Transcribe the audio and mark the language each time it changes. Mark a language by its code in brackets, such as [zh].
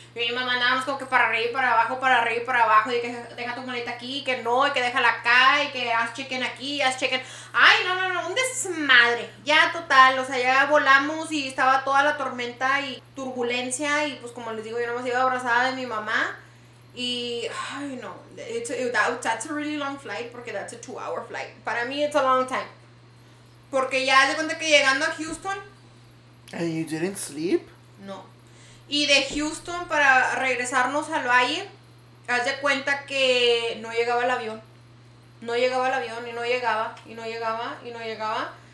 [es] Y mi mamá andábamos como que para arriba y para abajo, para arriba y para abajo. Y que deja tu maleta aquí, y que no, y que déjala acá, y que haz check-in aquí, haz check-in. Ay, no, un desmadre. Ya, total, o sea, ya volamos y estaba toda la tormenta y turbulencia. Y pues como les digo, yo nomás iba abrazada de mi mamá. Y, ay, no, [en] that's a really long flight, [es] porque [en] that's a 2-hour flight. [es] Para mí, [en] it's a long time. [es] Porque ya de cuenta que llegando a Houston... [en] And you didn't sleep? [es] No. Y de Houston, para regresarnos al valle, haz de cuenta que no llegaba el avión. No llegaba el avión y no llegaba, y no llegaba, y no llegaba.